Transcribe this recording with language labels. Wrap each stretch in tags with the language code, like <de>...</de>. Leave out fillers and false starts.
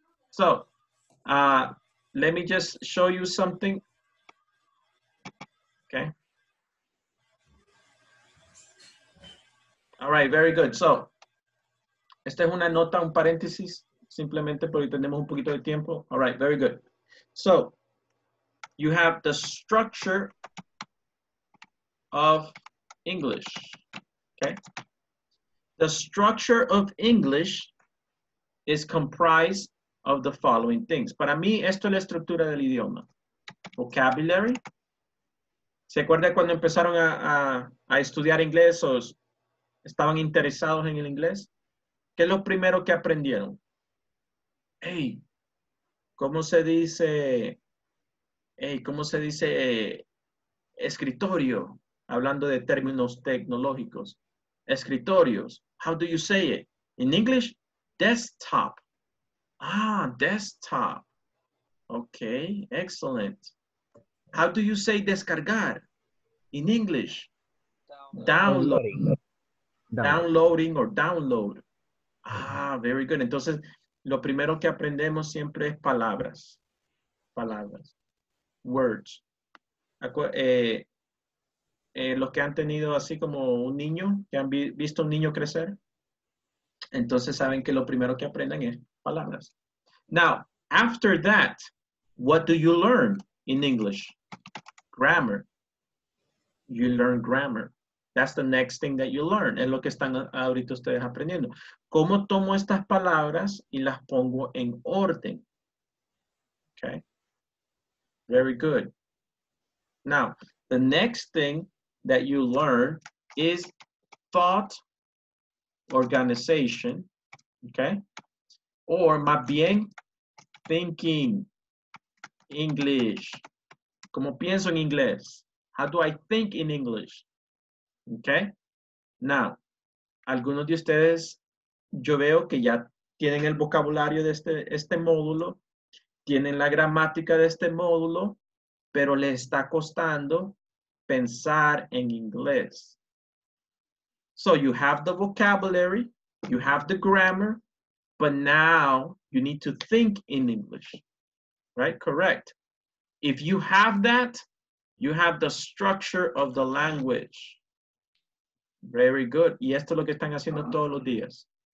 <en>So, let me just show you something. Okay. All right, very good.</en> <es>So, esta es una nota, un paréntesis, simplemente porque tenemos un poquito de tiempo.</es> <en>All right, very good. So, you have the structure of English, okay? The structure of English is comprised of the following things.</en> <es>Para mí, esto es la estructura del idioma. Vocabulary. ¿Se acuerda cuando empezaron a estudiar inglés o estaban interesados en el inglés? ¿Qué es lo primero que aprendieron? Hey, ¿cómo se dice? Hey, ¿cómo se dice escritorio? Hablando de términos tecnológicos. Escritorios.</es> <en>How do you say it? In English, desktop. Ah, desktop. Okay, excellent. How do you say descargar? In English, downloading or download. Ah, very good.</en> <es>Entonces, lo primero que aprendemos siempre es palabras. Palabras. Words. Los que han tenido así como un niño, que han visto un niño crecer, entonces saben que lo primero que aprenden es palabras.</es> <en>Now, after that, what do you learn in English? Grammar. You learn grammar. That's the next thing that you learn.</en> <es>Es lo que están ahorita ustedes aprendiendo. ¿Cómo tomo estas palabras y las pongo en orden?</es> <en>Okay. Very good. Now, the next thing that you learn is thought organization. Okay. Or, más bien, thinking English.</en> <es>¿Cómo pienso en inglés?</es> <en>How do I think in English? Okay.</en> <es>Now, algunos de ustedes, yo veo que ya tienen el vocabulario de este módulo, tienen la gramática de este módulo, pero les está costando pensar en inglés.</es> <en>So you have the vocabulary, you have the grammar, but now you need to think in English. Right? Correct. If you have that, you have the structure of the language. Very good.</en> <es>Y esto es lo que están haciendo todos los días.</es>